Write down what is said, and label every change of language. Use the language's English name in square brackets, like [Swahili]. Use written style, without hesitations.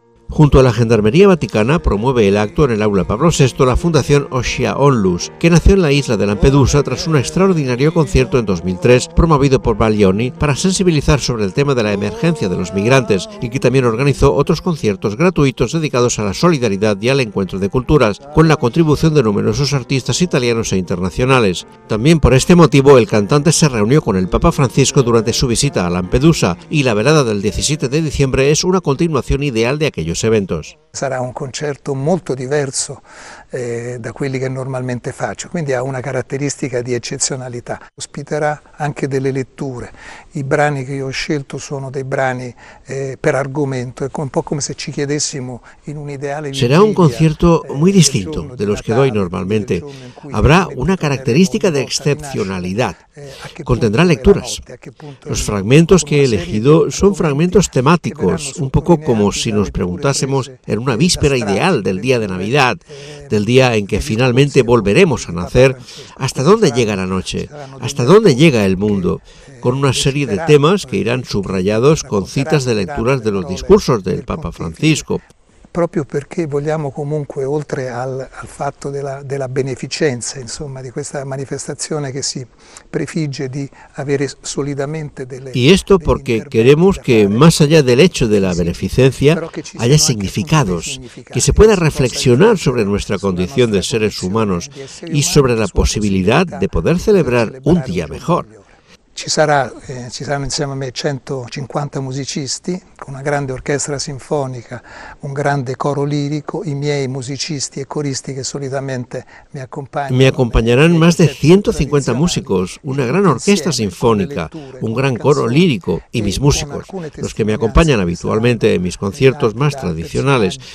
[Spanish] Junto a la Gendarmería Vaticana, promueve el acto en el Aula Pablo VI la Fundación Oxia Onlus, que nació en la isla de Lampedusa tras un extraordinario concierto en 2003 promovido por Baglioni para sensibilizar sobre el tema de la emergencia de los migrantes, y que también organizó otros conciertos gratuitos dedicados a la solidaridad y al encuentro de culturas, con la contribución de numerosos artistas italianos e internacionales. También por este motivo, el cantante se reunió con el Papa Francisco durante su visita a Lampedusa, y la velada del 17 de diciembre es una continuación ideal de aquellos eventos. Será un concierto [Italian] molto diverso da quelli che normalmente faccio, quindi ha una caratteristica di eccezionalità. Ospiterà anche delle letture. I brani che io ho scelto sono dei brani per argomento, è un po' come se ci chiedessimo in un ideale. [Spanish] Será un concierto muy distinto de los que doy normalmente. Habrá una [Italian] caratteristica di eccezionalità. [Spanish] Contendrá lecturas. Los fragmentos que he elegido son fragmentos temáticos, un poco como si nos preguntásemos en una víspera ideal del día de Navidad, del día en que finalmente volveremos a nacer, hasta dónde llega la noche, hasta dónde llega el mundo, con una serie de temas que irán subrayados con citas de lecturas de los discursos del Papa Francisco. [Italian] Proprio perché vogliamo comunque, oltre al fatto della beneficenza, insomma, di questa manifestazione che si prefigge di avere solidamente delle... [Spanish] Y esto porque queremos que, más allá del hecho de la beneficencia, haya significados, que se pueda reflexionar sobre nuestra condición de seres humanos y sobre la posibilidad de poder celebrar un día mejor. [Italian] Ci saranno insieme a me 150 musicisti, una grande orchestra sinfonica, un grande coro lirico, i miei musicisti e coristi che solitamente mi accompagnano. Mi accompagneranno più di 150 musici, una grande orchestra sinfonica, un gran coro lirico e i miei musici, i che mi accompagnano abitualmente ai miei concerti più tradizionali.